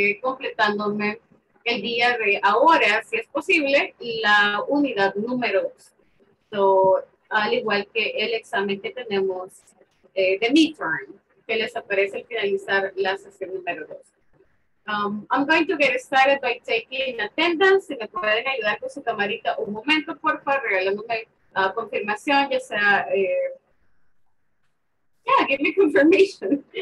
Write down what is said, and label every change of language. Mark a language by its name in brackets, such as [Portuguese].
[Spanish] Completándome el día de ahora, si es posible, la unidad número 2. So, al igual que el examen que tenemos de midterm, que les aparece al finalizar la sesión número 2. [English] I'm going to get started by taking attendance. [Spanish] Si me pueden ayudar con su camarita un momento, por favor, regalándome confirmación, ya sea, [English] give me confirmation.